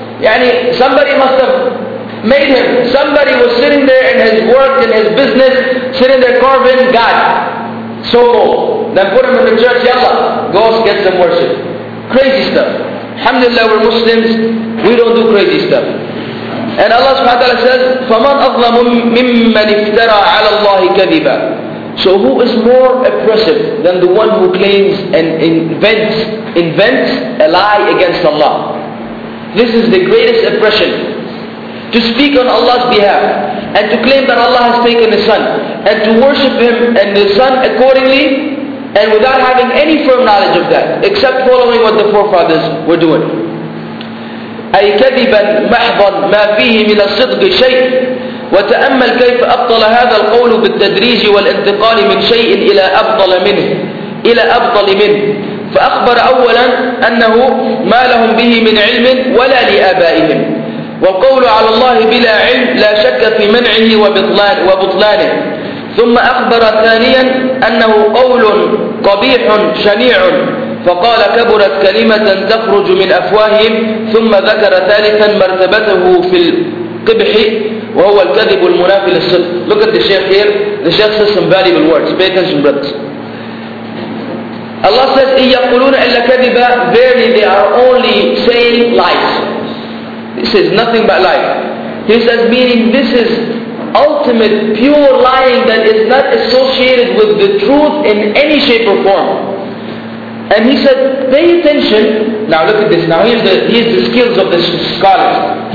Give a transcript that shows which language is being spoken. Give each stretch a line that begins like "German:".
English: Yani, somebody must have made him. Somebody was sitting there in his work, in his business, sitting there carving God. So cold. Then put him in the church, yallah. Go get some worship. Crazy stuff. Alhamdulillah, we're Muslims. We don't do crazy stuff. And Allah subhanahu wa ta'ala says,
Arabic: فَمَنْ أَظْلَمُ مِمَّنِ افْتَرَى عَلَى اللَّهِ كَذِبًا.
English: So who is more oppressive than the one who claims and invents a lie against Allah? This is the greatest oppression. To speak on Allah's behalf and to claim that Allah has taken His Son and to worship Him and His Son accordingly and without having any firm knowledge of that except following what the forefathers were doing.
Arabic: أي كذبا محضا ما فيه من الصدق شيء وتأمل كيف أبطل هذا القول بالتدريج والانتقال من شيء إلى أبطل منه إلى أبطل منه فأخبر أولا أنه ما لهم به من علم ولا لآبائهم والقول على الله بلا علم لا شك في منعه وبطلانه ثم أخبر ثانيا أنه قول قبيح شنيع فقال كبرت كلمة تخرج من أفواههم ثم ذكر ثالثا مرتبته في القبح وهو الكذب المنافي للصدق.
English: Look at the Shaykh here. The Shaykh says some valuable words. Pay attention, brothers. Allah says,
Arabic: إِن يَقُلُونَ إِلَّا كَذِبًا.
English: Verily, they are only saying lies. He says nothing but lies. He says, meaning this is ultimate, pure lying that is not associated with the truth in any shape or form. And he said, pay attention. Now look at this. Now here's the skills of the scholars.